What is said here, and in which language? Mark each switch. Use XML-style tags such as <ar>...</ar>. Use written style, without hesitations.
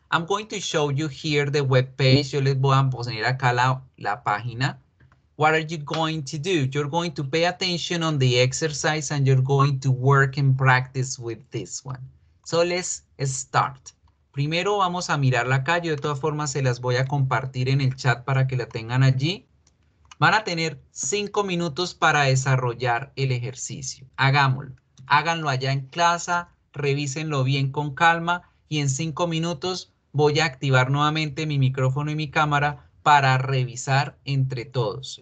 <en>I'm going to show you here the web page.</en> <es>Yo les voy a poner acá la página.</es> <en>What are you going to do? You're going to pay attention on the exercise and you're going to work and practice with this one. So let's start.</en> <es>Primero vamos a mirarla acá. Yo de todas formas se las voy a compartir en el chat para que la tengan allí. Van a tener 5 minutos para desarrollar el ejercicio. Hagámoslo. Háganlo allá en clase. Revísenlo bien con calma y en 5 minutos voy a activar nuevamente mi micrófono y mi cámara para revisar entre todos.</es>